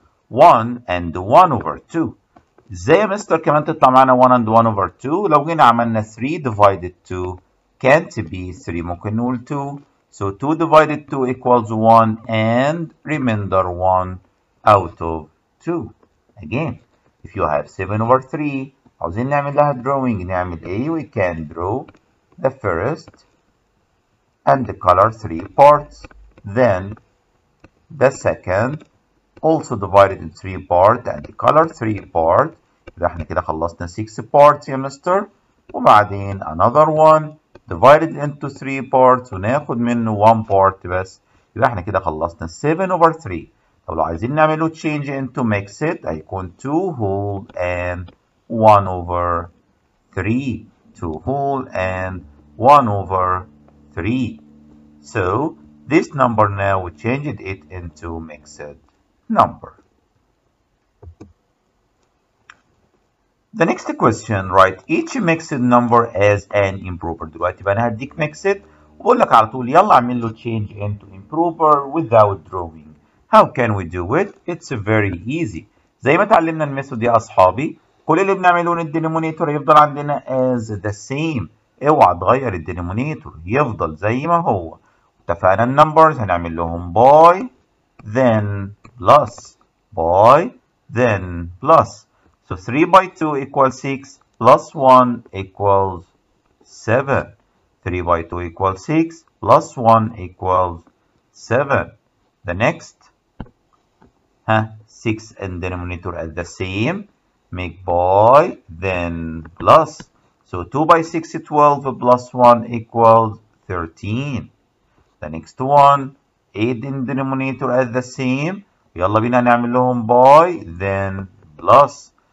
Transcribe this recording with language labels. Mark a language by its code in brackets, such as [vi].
[en] 1 and 1 over 2 [ar] زي مستر كمان تطلع معنا [en] 1 and 1 over 2 لو جينا عملنا 3 divided 2 can't be 3 ممكن نقول 2 so 2 divided 2 equals 1 and remainder 1 out of 2 again if you have 7 over 3 عاوزين نعمل لها drawing نعمل A we can draw the first and the color 3 parts then the second also divided in three parts and the color three parts. [ar] يبقى احنا كده خلصنا six parts يا مستر. [en] وبعدين another one divided into three parts [ar] وناخد منه [en] one part بس. [ar] يبقى احنا كده خلصنا seven over three. [en] طب لو عايزين نعمله change into mix it هيكون two whole and one over three. Two whole and one over three. So this number now we changed it into mixed number. The next question, write each mixed number as an improper. [ar] دلوقتي بقى انا هديك mixed وبقول لك على طول يلا اعمل له [en] change into improper without drawing. How can we do it? It's very easy. [ar] زي ما تعلمنا الميثود يا اصحابي كل اللي بنعمله ندي النومينيتور يفضل عندنا [en] as the same. [ar] اوعى تغير الدينومينيتور يفضل زي ما هو. اتفقنا النمبرز هنعمل لهم باي then بلس باي then بلس. [en] So 3 by 2 equals 6 plus 1 equals 7. 3 by 2 equals 6 plus 1 equals 7. The next 6 and denominator at the same. Make by then plus. So 2 by 6 is 12 plus 1 equals 13. The next one 8 in denominator at the same. [ar] يلا بينا نعمل لهم [en] by then plus.